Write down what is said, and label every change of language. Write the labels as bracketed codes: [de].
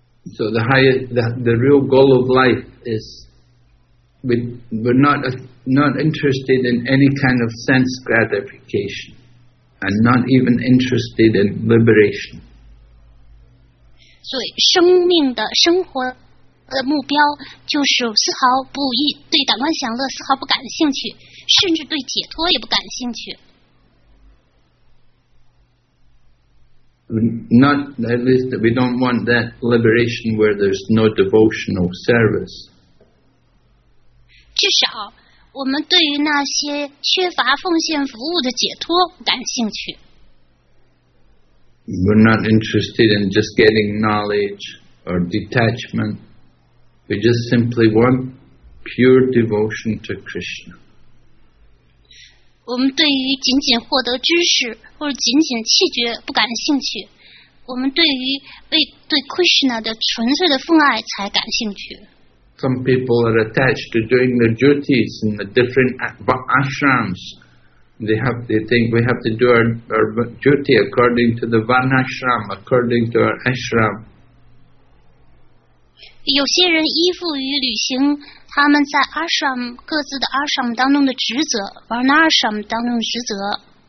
[en] So the higher, the real goal of life is. We're not interested in any kind of sense gratification, and not even interested in liberation. [zh] 所以，生命的生活的目标就是丝毫不依对感官享乐丝毫不感兴趣，甚至对解脱也不感兴趣。 [en] Not at least that we don't want that liberation where there's no devotional service. [zh] 至少我们对于那些缺乏奉献服务的解脱不感兴趣。 [en] We're not interested in just getting knowledge or detachment. We just simply want pure devotion to Krishna. [zh] 我们对于仅仅获得知识或者仅仅弃绝不感兴趣，我们对于为对 Krishna 的纯粹的奉爱才感兴趣。 [en] Some people are attached to doing their duties in the different ashrams. They think we have to do our duty according to the Varnashram, according to our ashram. [zh] 有些人依附于履行他们在 ashram 各自的 ashram 当中的职责 ，Varnashram 当中的职责。